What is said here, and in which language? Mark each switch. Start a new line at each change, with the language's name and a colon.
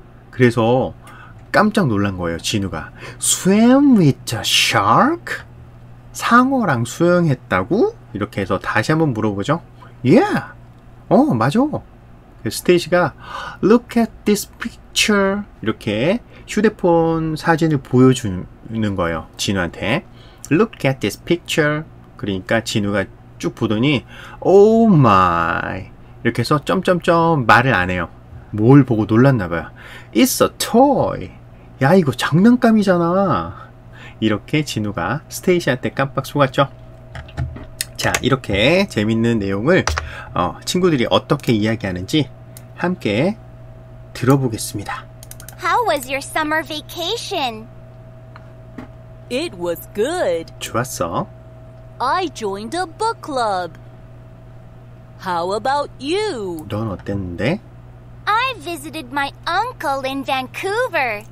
Korean: 그래서 깜짝 놀란 거예요, 진우가.
English: Swam with the shark?
Korean: 상어랑 수영했다고? 이렇게 해서 다시 한번 물어보죠. Yeah! 맞아.
English: 스테이시가 Look at this picture.
Korean: 이렇게 휴대폰 사진을 보여주는 거예요, 진우한테.
English: Look at this picture.
Korean: 그러니까 진우가 쭉 보더니
English: Oh my.
Korean: 이렇게 해서 점점점 말을 안 해요. 뭘 보고 놀랐나 봐요.
English: It's a toy.
Korean: 야, 이거 장난감이잖아. 이렇게 진우가 스테이시한테 깜빡 속았죠. 자, 이렇게 재밌는 내용을 친구들이 어떻게 이야기하는지 함께 들어보겠습니다.
English: How was your summer vacation? It was good.
Korean: 좋았어.
English: I joined a book club. How about you?
Korean: 넌 어땠는데?
English: I visited my uncle in Vancouver.